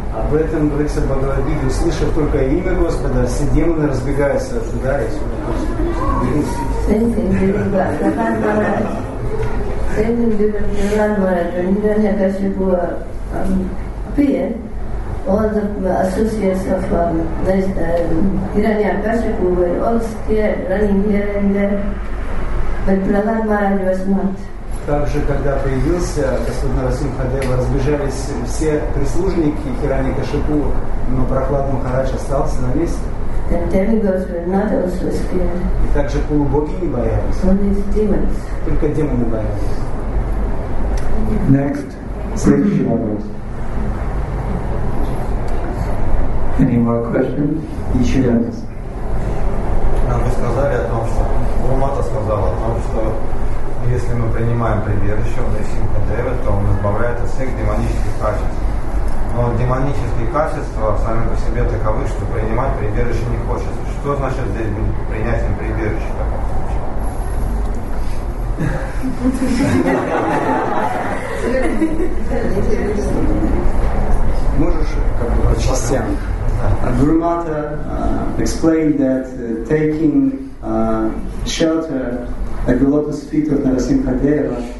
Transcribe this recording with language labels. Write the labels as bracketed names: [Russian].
[Russian] Об этом говорится в Бхагавад Гите, услышав только имя Господа, все демоны разбегаются, ожидаясь. [English] Same thing, all the associates of Hiranyakashipu were all scared, running here and there. But Prahlad Maharaj was not. [Russian] Так же, когда появился Господь Нарасимхадева, разбежались все прислужники Хиранякашипу, но Прахлад Махарадж остался на месте. [English] And demigods were not also scared. [Russian] И также полубоги не боялись. [English] Only demons. [Russian] Только демоны боялись. [English] Next, any more questions? [Russian] Еще раз. Нам вы сказали о том, что Гурумата сказала о том, что если мы принимаем прибежище в Нарасимха Деве, то он избавляет от всех демонических качеств. Но демонические качества сами по себе таковы, что принимать прибежище не хочется. Что значит здесь принятием прибежища в таком случае? [English] Gurumata explained that taking shelter at the lotus feet of Narasimha Deva,